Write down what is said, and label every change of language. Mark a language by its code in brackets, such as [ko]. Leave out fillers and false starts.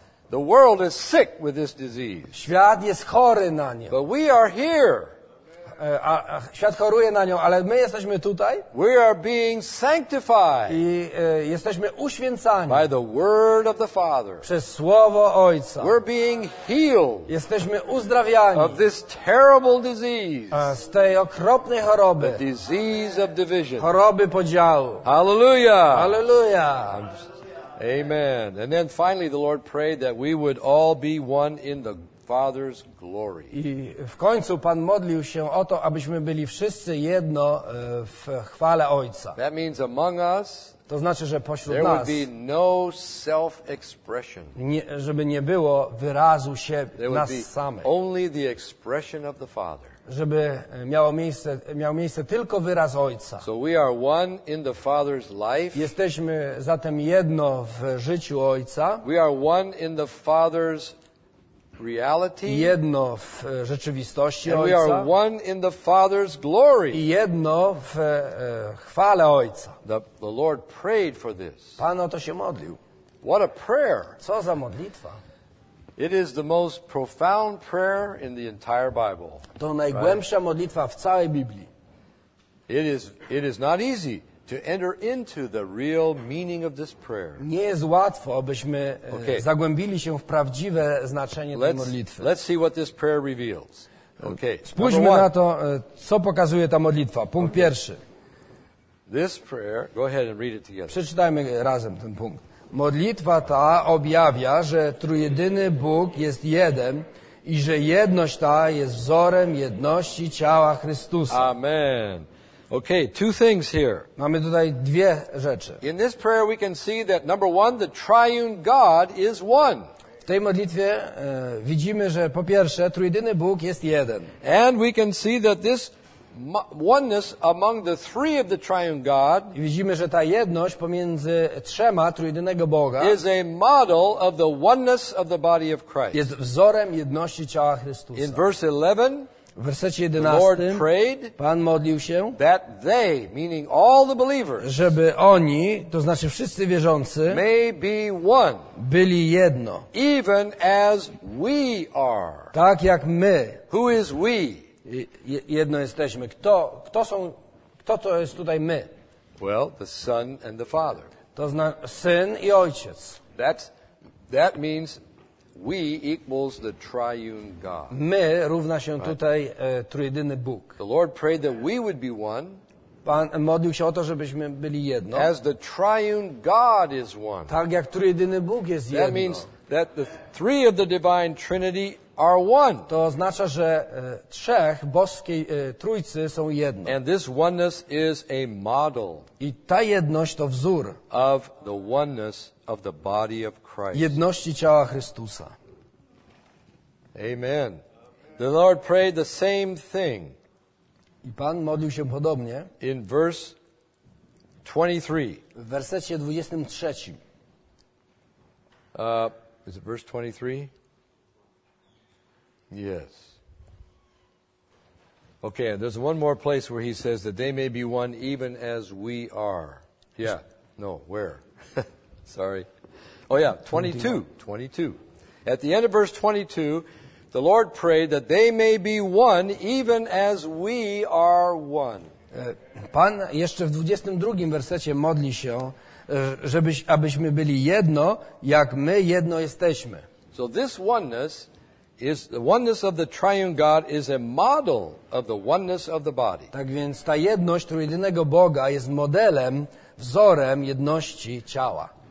[en] The world is sick with this disease. [pl] Świat jest chory na nią. [en] But we are here. [pl] Świat choruje na nią, ale my jesteśmy tutaj. [en] We are being sanctified. [pl] I jesteśmy uświęcani. [en] By the word of the Father. [pl] Przez słowo Ojca. [en] We're being healed. [pl] Jesteśmy uzdrawiani. [en] Of this terrible disease. [pl] Z tej okropnej choroby. [en] The disease of division. [pl] Choroby podziału. [en] Hallelujah. Hallelujah. Amen. And then finally the Lord prayed that we would all be one in the Father's glory. [pl] I w końcu Pan modlił się o to, abyśmy byli wszyscy jedno w chwale Ojca. [en] That means among us. [pl] To znaczy, że pośród [en] there [pl] nas [en] would be no self-expression. [pl] Żeby nie było wyrazu siebie nas samych. [en] Only the expression of the Father. [pl] Żeby miał miejsce tylko wyraz Ojca. [en] So we are one in the Father's life. [pl] Jesteśmy zatem jedno w życiu Ojca. [en] We are one in the Father's reality. [pl] Jedno w rzeczywistości [en] and [pl] Ojca. [en] We are one in the Father's glory. [pl] I jedno w chwale Ojca. [en] The Lord prayed for this. [pl] Pan o to się modlił. [en] What a prayer. [pl] Co za modlitwa. [en] It is the most profound prayer in the entire Bible. [pl] To najgłębsza modlitwa w całej Biblii. [en] It is not easy to enter into the real meaning of this prayer. [pl] Nie jest łatwo, abyśmy zagłębili się w prawdziwe znaczenie tej modlitwy. [en] Let's see what this prayer reveals. Okay. [pl] Spójrzmy na to, co pokazuje ta modlitwa. Punkt pierwszy. [en] This prayer, go ahead and read it together. [pl] Przeczytajmy razem ten punkt. Modlitwa ta objawia, że trójjedyny Bóg jest jeden i że jedność ta jest wzorem jedności ciała Chrystusa. [en] Amen. Okay, two things here. [pl] Mamy tutaj dwie rzeczy. [en] In this prayer we can see that number one, the triune God is one. [pl] W tej modlitwie widzimy, że po pierwsze, trójjedyny Bóg jest jeden. [en] And we can see that this oneness among the three of the triune God. [pl] I widzimy, że ta jedność pomiędzy trzema trójjedynego Boga [en] is a model of the oneness of the body of Christ. [pl] Jest wzorem jedności ciała Chrystusa. [en] In verse 11, [pl] w wersecie 11, Pan modlił się, [en] that they, meaning all the believers, [pl] żeby oni, to znaczy wszyscy wierzący, [en] may be one, [pl] byli jedno, [en] even as we are. [pl] Tak jak my. [en] Who is we? [pl] Jedno jesteśmy. Kto to jest tutaj my? [en] Well, the Son and the Father. [pl] To znaczy Syn i Ojciec. [en] That means we equals the triune God. [pl] My równa się tutaj trójjedyny Bóg. [en] The Lord prayed that we would be one. [pl] Pan modlił się o to, żebyśmy byli jedno. [en] As the triune God is one. [pl] Tak jak trójjedyny Bóg jest [en] that [pl] jedno. [en] That means that the three of the divine Trinity are one. [pl] To oznacza, że trzech boskiej trójcy są jedno. [en] And this oneness is a model. [pl] I ta jedność to wzór [en] of the oneness of the body of Christ. [pl] Jedności ciała Chrystusa. [en] Amen. The Lord prayed the same thing. [pl] I Pan modlił się podobnie. [en] In verse 23. [pl] W wersecie 23. [en] Is it verse 23? Yes. Okay, there's one more place where he says that they may be one even as we are. Yeah. No, where? Sorry. Oh yeah, 22. At the end of verse 22, the Lord prayed that they may be one even as we are one. [pl] Pan jeszcze w 22 wersecie modli się, abyśmy byli jedno, jak my jedno jesteśmy. [en] So this oneness is the oneness of the triune God is a model of the oneness of the body. [pl] Tak więc ta jedność trójjedynego Boga jest modelem, wzorem jedności ciała.